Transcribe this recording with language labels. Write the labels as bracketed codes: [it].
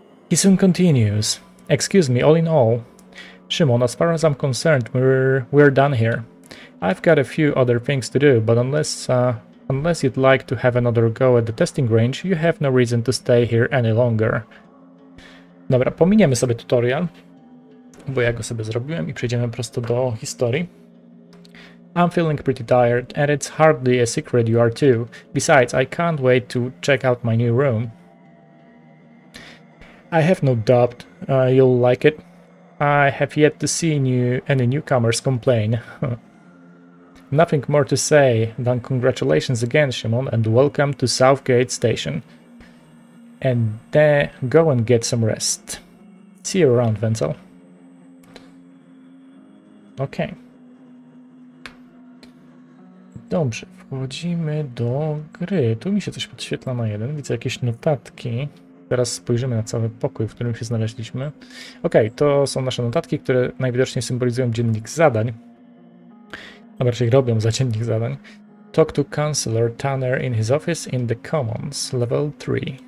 [en] He soon continues. Excuse me, all in all. Shimon, as far as I'm concerned, we're done here. I've got a few other things to do, but unless you'd like to have another go at the testing range, you have no reason to stay here any longer. [pl] Dobra, pominiemy sobie tutorial, bo ja go sobie zrobiłem i przejdziemy prosto do historii. [en] I'm feeling pretty tired, and it's hardly a secret you are too. Besides, I can't wait to check out my new room. I have no doubt you'll like it. I have yet to see any newcomers complain. Nothing more to say than congratulations again, Shimon, and welcome to Southgate Station. And then go and get some rest. See you around, Wenzel. Okay. [pl] Dobrze, wchodzimy do gry. Tu mi się coś podświetla na jeden. Widzę jakieś notatki. Teraz spojrzymy na cały pokój, w którym się znaleźliśmy. Okej, to są nasze notatki, które najwidoczniej symbolizują dziennik zadań. Dobra, się robią za dziennik zadań. [en] Talk to Councillor Tanner in his office in the Commons, level 3.